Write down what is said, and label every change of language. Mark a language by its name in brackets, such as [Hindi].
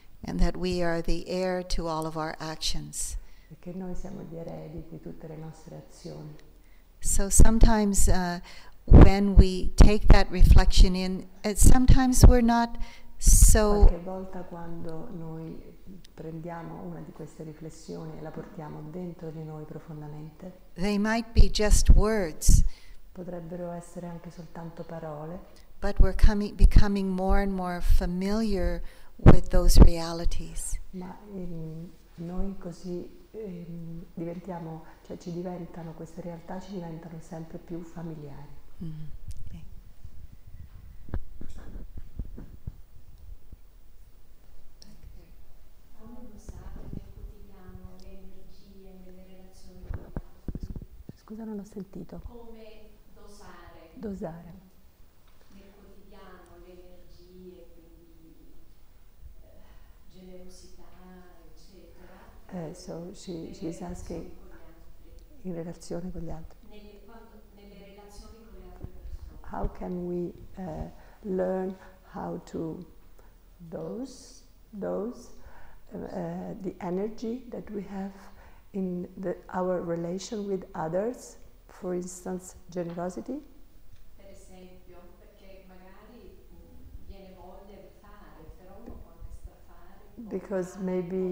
[English] And that we are the heir to all of our actions. [Italian] E che noi siamo gli eredi di tutte le nostre azioni. [English] So sometimes when we take that reflection in, sometimes we're not so. [Italian] Qualche volta quando noi prendiamo una di queste riflessioni e la portiamo dentro di noi profondamente. [English] They might be just words. [Italian] Potrebbero essere anche soltanto parole. [English] But we're becoming more and more familiar with those realities. [Italian] Ma noi così diventiamo, cioè ci diventano queste realtà, ci diventano sempre più familiari. Mm-hmm. Cosa non ho sentito? Come dosare. Dosare. Nel quotidiano le energie, quindi generosità, eccetera. [English] She's asking [Italian] in relazione con gli altri. Nelle relazioni con le altre persone. [English] How can we learn how to dose the energy that we have in our relation with others? For instance, generosity. [Italian] Per esempio, perché magari viene voglia di fare, però non può restare a fare.